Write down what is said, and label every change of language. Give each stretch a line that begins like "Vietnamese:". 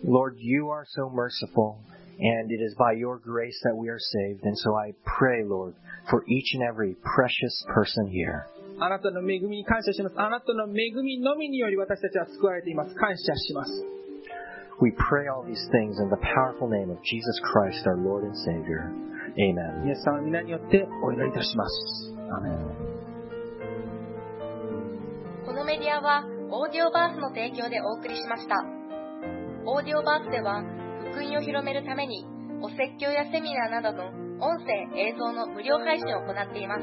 English: Lord, you are so merciful, and it is by your grace that we are saved. And so I pray, Lord, for each and every precious person here.
Japanese: あなたの恵みに感謝します。あなたの恵みのみにより私たちは救われています。感謝します。
English: We pray all these things in the powerful name of Jesus Christ, our Lord and Savior. Amen.
Japanese: イエス様の皆によってお祈りいたします。アメン。このメディアはオーディオバースの提供でお送りしました。オーディオバースでは福音を広めるためにお説教やセミナーなどの音声、映像の無料配信を行っています。